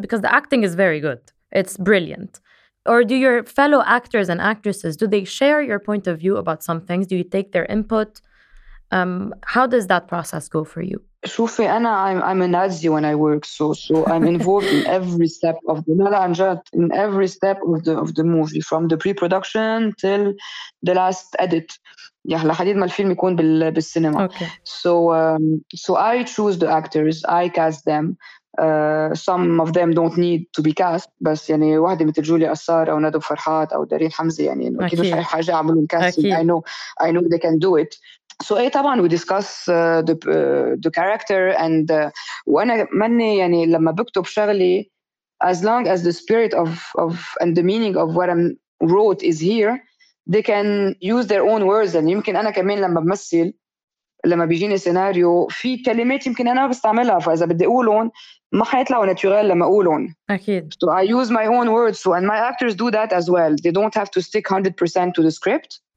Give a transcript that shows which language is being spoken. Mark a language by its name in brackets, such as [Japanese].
[English] Because the acting is very good. It's brilliant. Or do your fellow actors and actresses, do they share your point of view about some things? Do you take their input? How does that process go for you? [Arabic] شوفي أنا [English] I'm a Nazi when I work, so I'm involved in every step of the movie, from the pre-production till the last edit. Yeah, [Arabic] لحديد ما الفيلم يكون بالسينما. [English] Okay. So I choose the actors, I cast them. Some of them don't need to be cast, [Arabic] بس يعني واحدة مثل جوليا أسار أو نادو فرحات أو دارين حمزة يعني أكيد مش أي حاجة عملون كاستين. [English] I know they can do it. So [Arabic] أي طبعاً [English] we discuss the character and [Arabic] وأنا مني يعني لما بكتب شغلي [English] as long as the spirit of and the meaning of what I wrote is here, they can use their own words. And [Arabic] يمكن أنا كمان لما بمثل لما بيجيني سيناريو في كلمات يمكن أنا بستعملها, فإذا بدي أقولون ما حيطلعوا ناتورال لما أقولون أكيد. [English] So I use my own words, so, and my actors do that as well. They don't have to stick 100% to the script.